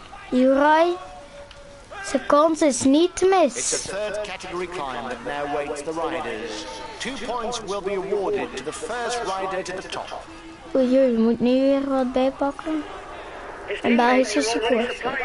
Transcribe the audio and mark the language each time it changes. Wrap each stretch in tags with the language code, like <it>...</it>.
<nl>Juraj, zijn kans is niet mis.</nl> <en>It's the third category climb that now waits the riders. 2 points will be awarded to the first rider to the top.</en> <nl>Oei, je moet nu weer wat bijpakken. En bij is het support.</nl>